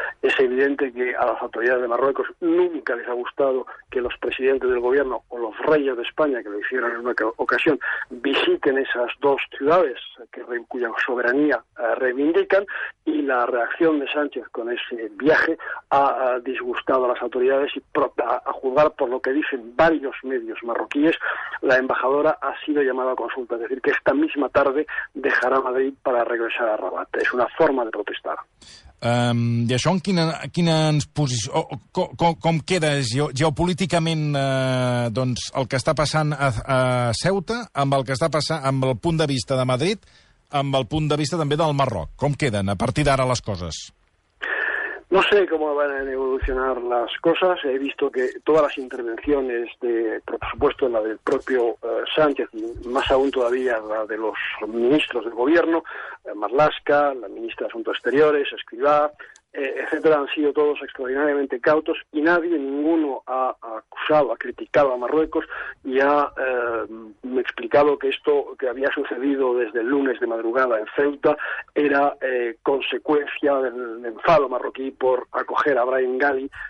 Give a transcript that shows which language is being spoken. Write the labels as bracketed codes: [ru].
[es] Es evidente que a las autoridades de Marruecos nunca les ha gustado que los presidentes del gobierno o los reyes de España, que lo hicieron en una ocasión, visiten esas dos ciudades cuya soberanía reivindican, y la reacción de Sánchez con ese viaje ha disgustado a las autoridades, y a juzgar por lo que dicen varios medios marroquíes, la embajadora ha sido llamada a consulta, es decir, que esta misma tarde dejará Madrid para regresar a Rabat. Es una forma de protestar. [ca] I això en quina posició, com queda geopolíticament el que està passant a Ceuta amb el que està passant amb el punt de vista de Madrid, amb el punt de vista també del Marroc? Com queden a partir d'ara les coses? [es] No sé cómo van a evolucionar las cosas. He visto que todas las intervenciones, por supuesto la del propio Sánchez, más aún todavía la de los ministros del gobierno, Marlaska, la ministra de Asuntos Exteriores, Escrivá, etcétera, han sido todos extraordinariamente cautos, y ninguno ha acusado, ha criticado a Marruecos y ha explicado que esto que había sucedido desde el lunes de madrugada en Ceuta era consecuencia del enfado marroquí por acoger a Brahim Ghali,